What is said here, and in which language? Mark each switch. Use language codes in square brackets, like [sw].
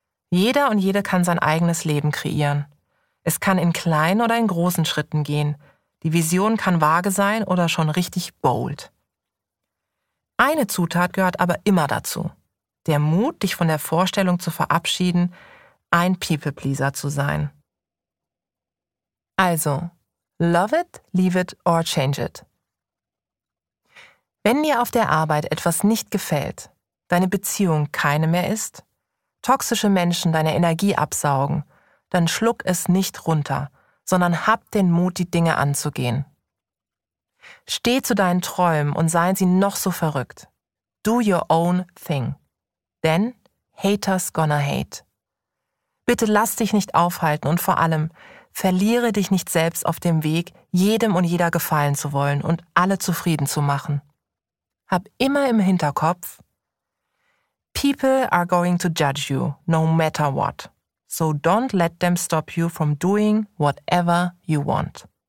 [de] Jeder und jede kann sein eigenes Leben kreieren. Es kann in kleinen oder in großen Schritten gehen. Die Vision kann vage sein oder schon richtig bold. Eine Zutat gehört aber immer dazu. Der Mut, dich von der Vorstellung zu verabschieden, ein People-Pleaser zu sein. [en] Also, love it, leave it or change it. [de] Wenn dir auf der Arbeit etwas nicht gefällt, deine Beziehung keine mehr ist, toxische Menschen deine Energie absaugen, dann schluck es nicht runter, sondern hab den Mut, die Dinge anzugehen. Steh zu deinen Träumen und seien sie noch so verrückt. [en] Do your own thing. [de] Denn [en] haters gonna hate. [de] Bitte lass dich nicht aufhalten und vor allem, verliere dich nicht selbst auf dem Weg, jedem und jeder gefallen zu wollen und alle zufrieden zu machen. Hab immer im Hinterkopf: [en] People are going to judge you, no matter what. So don't let them stop you from doing whatever you want.